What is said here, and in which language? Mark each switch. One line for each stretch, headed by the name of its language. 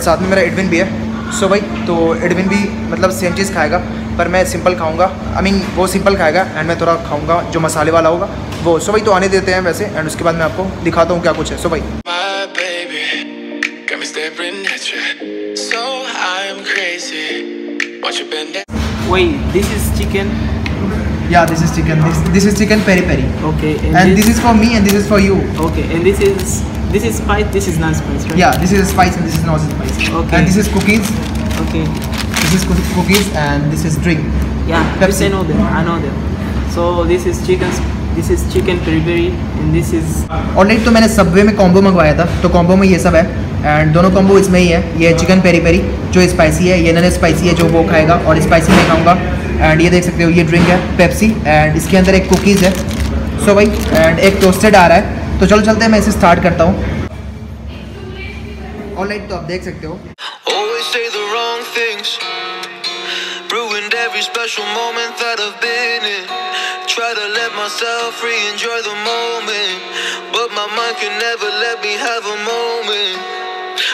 Hindi: साथ में मेरा एडविन भी है. सो भाई तो एडविन भी मतलब सेम चीज़ खाएगा, पर मैं सिंपल खाऊंगा, वो सिंपल खाएगा एंड मैं थोड़ा खाऊंगा जो मसाले वाला होगा वो. सो भाई तो आने देते हैं वैसे एंड उसके बाद मैं आपको दिखाता हूँ क्या कुछ है. सो भाई
English: Yeah, this is chicken. This is chicken peri peri. Okay. And this is for me and this is for you. Okay. And this is spice. This is non-spice, right? Yeah, this is spice and this is non-spice. Okay. And this is cookies. Okay. This is cookies and this is drink. Yeah. Pepsi. Yes, I know them. So this is chicken. This is chicken peri peri and this is.
Hindi: Alright, तो मैंने Subway में combo मंगवाया था, तो combo में ये सब है. एंड दोनों कॉम्बो इसमें ही है, ये चिकन पेरी पेरी जो स्पाइसी है, ये नन स्पाइसी है जो वो खाएगा और स्पाइसी मैं खाऊंगा. एंड ये देख सकते हो ये ड्रिंक है पेप्सी एंड इसके अंदर एक कुकीज़ है. सो भाई एंड एक टोस्टेड आ रहा है, तो चलो चलते हैं, मैं इसे स्टार्ट करता हूँ. ऑनलाइन तो आप देख सकते हो.
English: Always say the wrong things, ruined every special moment that I've been in. Try to let myself free, enjoy the moment, but my mind can never let me have a moment.